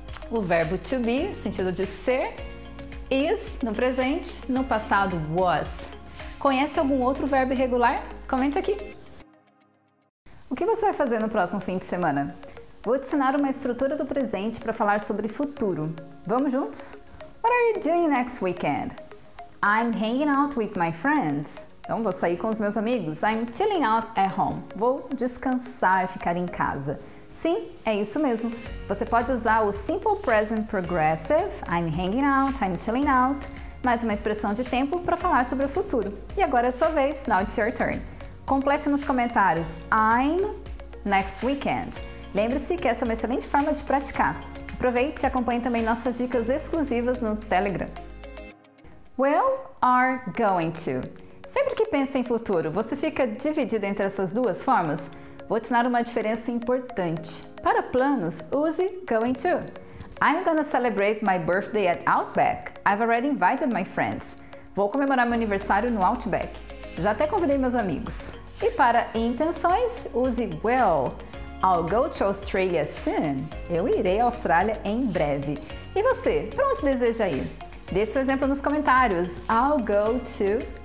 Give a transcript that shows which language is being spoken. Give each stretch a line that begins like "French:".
Portuguese: O verbo to be, sentido de ser. Is, no presente, no passado, was. Conhece algum outro verbo irregular? Comenta aqui. O que você vai fazer no próximo fim de semana? Vou te ensinar uma estrutura do presente para falar sobre futuro. Vamos juntos?
English: What are you doing next weekend? I'm hanging out with my friends.
Portuguese: Então, vou sair com os meus amigos.
English: I'm chilling out at home.
Portuguese: Vou descansar e ficar em casa. Sim, é isso mesmo. Você pode usar o Simple Present Progressive,
English: I'm hanging out, I'm chilling out,
Portuguese: mais uma expressão de tempo para falar sobre o futuro. E agora é a sua vez,
English: now it's your turn.
Portuguese: Complete nos comentários,
English: I'm next weekend.
Portuguese: Lembre-se que essa é uma excelente forma de praticar. Aproveite e acompanhe também nossas dicas exclusivas no Telegram.
English: Will or going to?
Portuguese: Sempre que pensa em futuro, você fica dividido entre essas duas formas? Vou te ensinar uma diferença importante. Para planos, use going to.
English: I'm gonna celebrate my birthday at Outback. I've already invited my friends.
Portuguese: Vou comemorar meu aniversário no Outback. Já até convidei meus amigos. E para intenções, use will.
English: I'll go to Australia soon.
Portuguese: Eu irei à Austrália em breve. E você, para onde deseja ir? Deixe seu exemplo nos comentários.
English: I'll go to